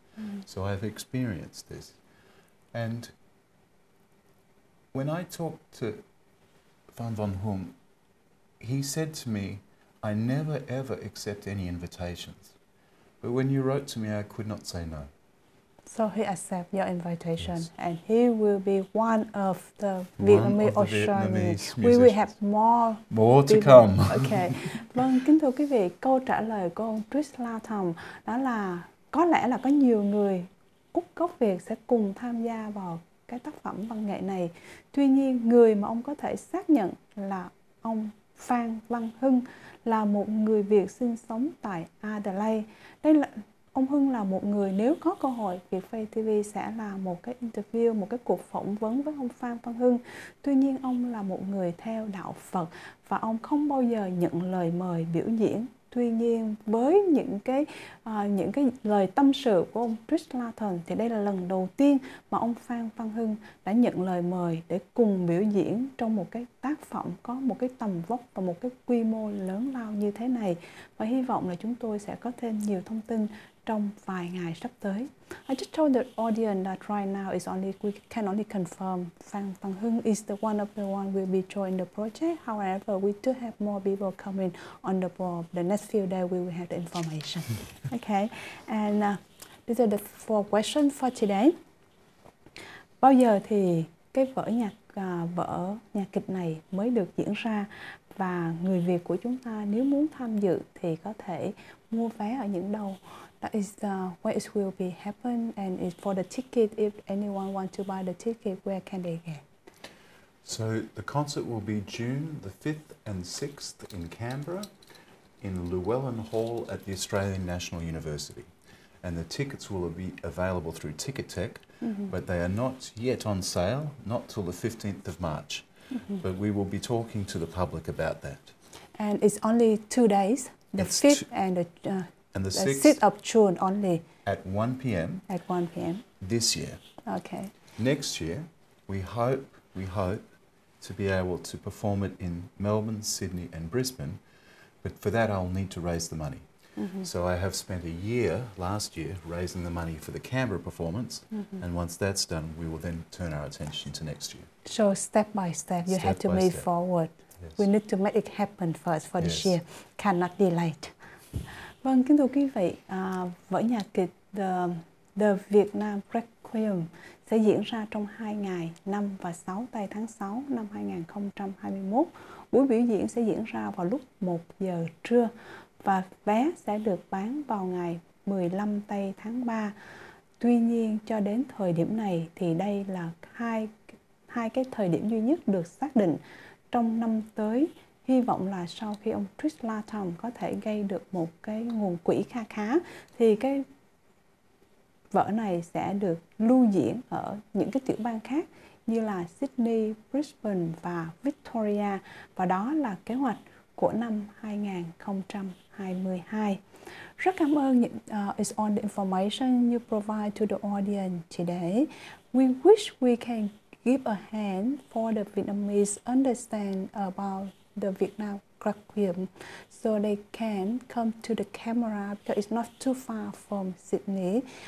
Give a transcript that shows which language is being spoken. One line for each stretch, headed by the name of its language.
English: Mm-hmm. So I've experienced this. And when I talked to Phan Văn Hưng, he said to me, I never ever accept any invitations. But when you wrote to me, I could not say no. So he accepted your invitation, yes. and he will be one of the Vietnamese musicians. We will have more. More to come. Okay.
Vietnamese: Vâng, kính thưa quý vị, câu trả lời của ông Chris Latham đó là có lẽ là có nhiều người Úc gốc Việt sẽ cùng tham gia vào cái tác phẩm văn nghệ này. Tuy nhiên, người mà ông có thể xác nhận là ông Phan Văn Hưng là một người Việt sinh sống tại Adelaide. Đây là ông Hưng là một người nếu có cơ hội Vietface TV sẽ làm một cái interview, một cái cuộc phỏng vấn với ông Phan Văn Hưng. Tuy nhiên ông là một người theo đạo Phật và ông không bao giờ nhận lời mời biểu diễn. Tuy nhiên với những cái lời tâm sự của ông Chris Latham thì đây là lần đầu tiên mà ông Phan Văn Hưng đã nhận lời mời để cùng biểu diễn trong một cái tác phẩm có một cái tầm vóc và một cái quy mô lớn lao như thế này. Và hy vọng là chúng tôi sẽ có thêm nhiều thông tin trong vài ngày sắp tới.
English: I just told the audience that right now is only we can only confirm Phan Hưng is the one of the one will be joining the project. However, we do have more people coming on the board. The next few days we will have the information. Okay, and these are the four questions for today.
Vietnamese: Bao giờ thì cái vở nhạc kịch này mới được diễn ra, và người Việt của chúng ta nếu muốn tham dự thì có thể mua vé ở những đâu?
English: That is where it will be happen, and it's for the ticket, if anyone wants to buy the ticket, where can they get? So the concert will be June the 5th and 6th in Canberra in Llewellyn Hall at the Australian National University. And the tickets will be available through Ticketek, mm-hmm. but they are not yet on sale, not till the 15th of March. Mm-hmm. But we will be talking to the public about that. And it's only 2 days, the 5th and the and the 6th of June only. At 1 p.m. At 1 p.m. This year. Okay. Next year, we hope to be able to perform it in Melbourne, Sydney and Brisbane. But for that, I'll need to raise the money. Mm-hmm. So I have spent a year last year raising the money for the Canberra performance, mm-hmm. and once that's done, we will then turn our attention to next year. So step by step, you have to move forward. Yes. We need to make it happen first for this yes. year. Cannot delay.
Vietnamese: Vâng, kính thưa quý vị, vở nhạc kịch The Vietnam Requiem sẽ diễn ra trong 2 ngày, 5 và 6 tây tháng 6 năm 2021. Buổi biểu diễn sẽ diễn ra vào lúc 1 giờ trưa. Và vé sẽ được bán vào ngày 15 tây tháng 3. Tuy nhiên, cho đến thời điểm này thì đây là hai cái thời điểm duy nhất được xác định trong năm tới. Hy vọng là sau khi ông Trish Latham có thể gây được một cái nguồn quỹ kha khá thì cái vở này sẽ được lưu diễn ở những cái tiểu bang khác như là Sydney, Brisbane và Victoria. Và đó là kế hoạch của năm 2022. Rất cảm ơn
English: is all the information you provide to the audience today. We wish we can give a hand for the Vietnamese understand about the Vietnam Requiem so they can come to the camera because it's not too far from Sydney.